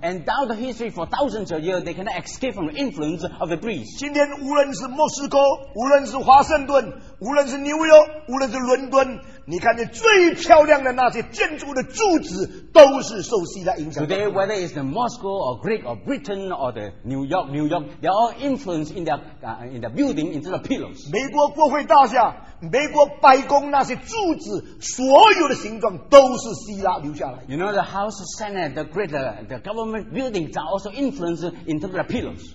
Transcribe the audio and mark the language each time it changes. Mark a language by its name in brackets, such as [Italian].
[English] And down the history for thousands of years, they cannot escape from the influence of the Greece. [Chinese] 今天无论是莫斯科, 无论是华盛顿, 无论是纽约, 无论是伦敦, 你看见最漂亮的那些建筑的柱子都是受希腊影响。 [English] Today, whether it's the Moscow or Greek or Britain or the New York, they're all influenced in their building, into the pillars. [Chinese] 美国国会大厦, 美国白宫那些柱子, 所有的形状都是希腊留下来。 [English] You know, the House of Senate, the great the government buildings are also influenced into the pillars.